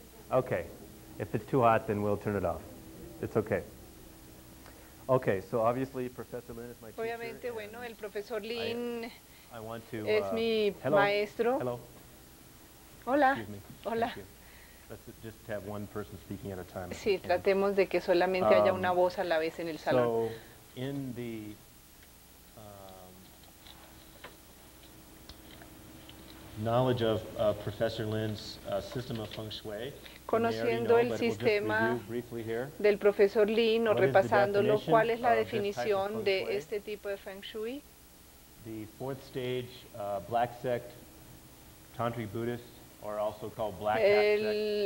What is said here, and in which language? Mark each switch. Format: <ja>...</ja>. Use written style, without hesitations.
<en>Okay, if it's too hot, then we'll turn it off. It's okay. Okay, so obviously Professor Lin is my teacher.</en> <es>Obviamente, bueno, el profesor Lin</es> <en>I want to,</en> <es>es mi maestro.</es> <en>Hello.</en> <es>Hola.</es> <en>Excuse me.</en> <es>Hola.</es> <en>Let's just have one person speaking at a time.</en> <es>Sí, tratemos de que solamente haya una voz a la vez en el salón.</es> <en>So, in the knowledge of Professor Lin's system of feng shui.</en> <es>Conociendo el sistema del profesor Lin o repasándolo, ¿cuál es la definición de este tipo de feng shui?</es> <en>The fourth stage, black sect, tantric Buddhist, or also called black hat sect.</en>